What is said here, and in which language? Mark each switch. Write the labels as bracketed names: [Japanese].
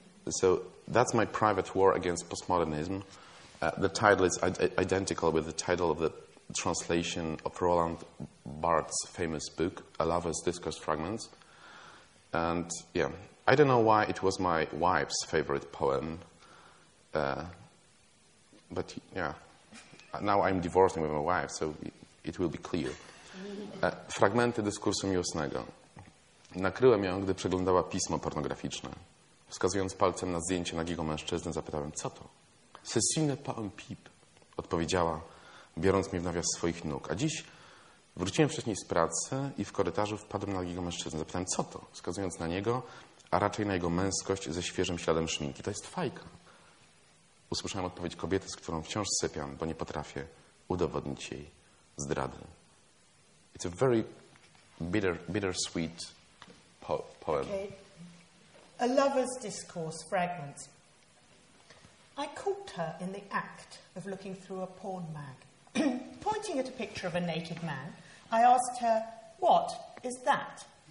[English] So that's my private war against postmodernism. The title is identical with the title of the translation of Roland Barthes' famous book, A Lover's Discourse Fragments. And yeah. I don't know why it was my wife's favorite poem, but yeah, now I'm divorcing with my wife, so it will be clear. [Polish] Fragmenty dyskursu miłosnego. Nakryłem ją, gdy przeglądała pismo pornograficzne. Wskazując palcem na zdjęcie nagiego mężczyzny, zapytałem, co to? Sesyjny poem Pip, odpowiedziała, biorąc mnie w nawias swoich nóg. A dziś wróciłem wcześniej z pracy i w korytarzu wpadłem na nagiego mężczyznę. Zapytałem, co to? Wskazując na niego, a raczej na jego męskość ze świeżym śladem szminki. To jest fajka. Usłyszałem odpowiedź kobiety, z którą wciąż sypiam, bo nie potrafię udowodnić jej zdrady. [English] It's a very bittersweet poem. Okay. A lover's discourse fragment. I caught her in the act of looking through a porn mag. Pointing at a picture of a naked man, I asked her, what is that?